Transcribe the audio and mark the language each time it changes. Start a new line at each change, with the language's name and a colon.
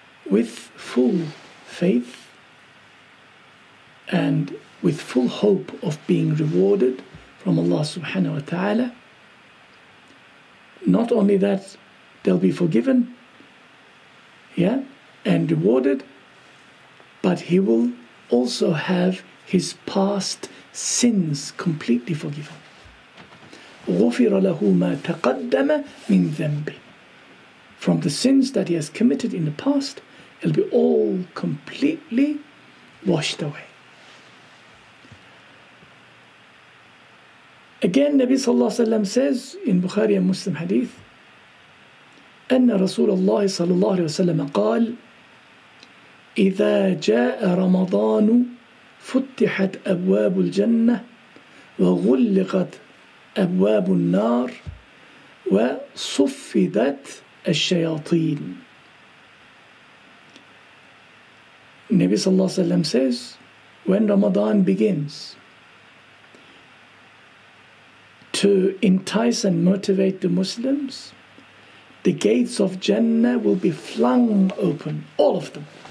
English: with full faith and with full hope of being rewarded from Allah subhanahu wa ta'ala, not only that they'll be forgiven, yeah, and rewarded, but he will also have his past sins completely forgiven.
Arabic: غُفِرَ لَهُ مَا تَقَدَّمَ مِنْ ذَنْبِ.
English: From the sins that he has committed in the past, it'll be all completely washed away. Again, Nabi sallallahu alayhi wa sallam says in Bukhari and Muslim hadith,
Arabic: أَنَّ رَسُولَ اللَّهِ صَلَى اللَّهِ عَلَيْهِ وَسَلَّمَ قَالَ إِذَا جَاءَ رَمَضَانُ فُتِّحَتْ أَبْوَابُ الْجَنَّةِ وَغُلِّقَتْ أَبْوَابُ النَّارِ وَصُفِّدَتْ الشَّيَاطِينَ.
English: Nabi sallallahu alayhi wa sallam says, when Ramadan begins, to entice and motivate the Muslims, the gates of Jannah will be flung open, all of them.